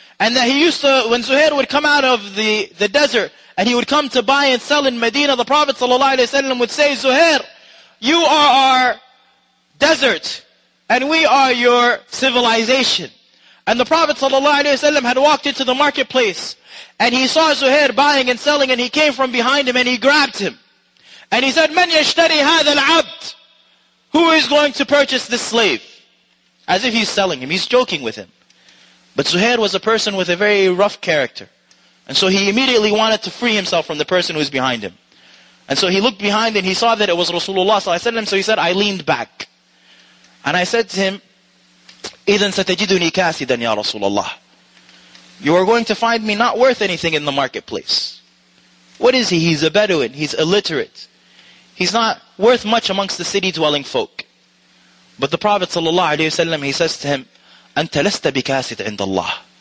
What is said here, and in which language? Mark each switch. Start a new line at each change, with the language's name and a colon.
English: And that he used to, when Zuhair would come out of the desert, and he would come to buy and sell in Medina, the Prophet sallallahu alayhi wa sallam would say, Zuhair, you are our desert, and we are your civilization. And the Prophet sallallahu alayhi wa sallam had walked into the marketplace, and he saw Zuhair buying and selling, and he came from behind him, and he grabbed him. And he said,
Arabic: من يشتري هذا العبد?
English: Who is going to purchase this slave? As if he's selling him, he's joking with him. But Zuhair was a person with a very rough character. And so he immediately wanted to free himself from the person who was behind him. And so he looked behind and he saw that it was Rasulullah. So he said, I leaned back. And I said to him,
Arabic: إذن ستجدني كاسدا يا رسول الله.
English: You are going to find me not worth anything in the marketplace. What is he? He's a Bedouin. He's illiterate. He's not worth much amongst the city-dwelling folk. But the Prophet sallallahu alayhi wa sallam, he says to him,
Arabic: أنت لست بكاسد عند الله.